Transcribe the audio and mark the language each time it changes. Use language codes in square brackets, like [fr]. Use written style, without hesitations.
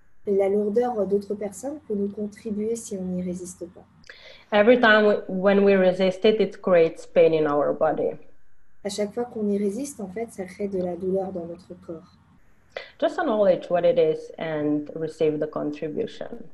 [fr] La lourdeur d'autres personnes peut nous contribuer si on n'y résiste pas. [en] Every time when we resist it, it creates pain in our body. [fr] À chaque fois qu'on y résiste, en fait, ça crée de la douleur dans notre corps. [en] Just acknowledge what it is and receive the contribution.